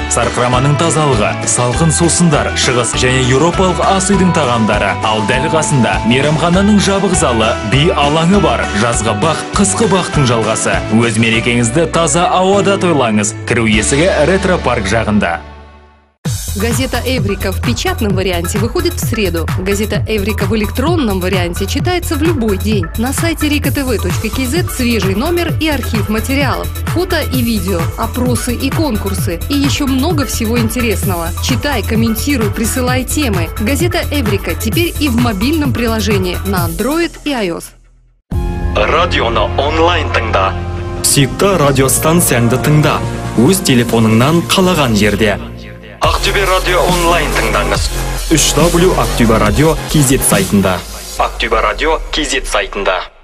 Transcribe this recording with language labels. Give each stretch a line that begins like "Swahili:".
Kazakh: Сарқыраманың тазалығы, салқын сусындар, шығыс және еуропалық ас үйдің тағамдары. Ал дәл қасында мейрамхананың жабық залы, би алаңы бар. Жазғы бақ қысқы бақтың жалғасы. Өз мерекеңізді таза ауада тойлаңыз. Кіру есігі ретро-парк жағында.
Russian: Газета «Эврика» в печатном варианте выходит в среду. Газета «Эврика» в электронном варианте читается в любой день. На сайте rikatv.kz свежий номер и архив материалов. Фото и видео, опросы и конкурсы. И еще много всего интересного. Читай, комментируй, присылай темы. Газета «Эврика» теперь и в мобильном приложении на Android и iOS.
Kazakh: Радио на онлайн тыңда.
Russian: Всегда
Kazakh: радиостанцияңды тыңда. Өз телефоныңнан қалаған жерде. Ақтөбе радио онлайн тыңдаңыз. www.aktyubaradio.kz сайтында. Aktyubaradio.kz сайтында.